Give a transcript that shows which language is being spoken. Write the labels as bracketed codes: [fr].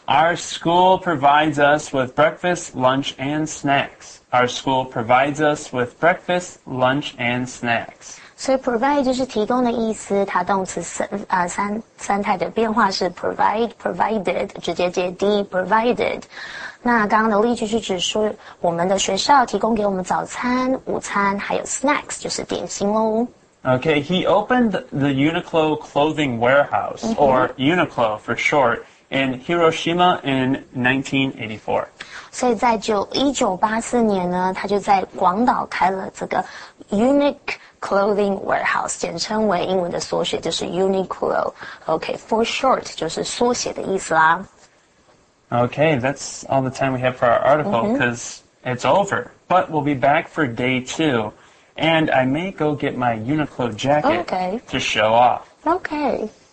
[en] Our school provides us with breakfast, lunch, and snacks. Our school provides us with breakfast, lunch, and snacks. [zh] 所以 provide 就是提供的意思，它动词三态的变化是 provide, provided, 直接接 d, provided. 那刚刚的例句是指说我们的学校提供给我们早餐、午餐还有 snacks, 就是点心咯。 [en] Okay, he opened the Uniqlo clothing warehouse, or Uniqlo for short, in Hiroshima in 1984. [zh] 所以在1984年呢，他就在广岛开了这个 Unique Clothing Warehouse， 简称为英文的缩写就是 Uniqlo。 OK，for short 就是缩写的意思啦。 [en] Okay, that's all the time we have for our article because it's over. But we'll be back for day two. And I may go get my Uniqlo jacket to show off. Okay.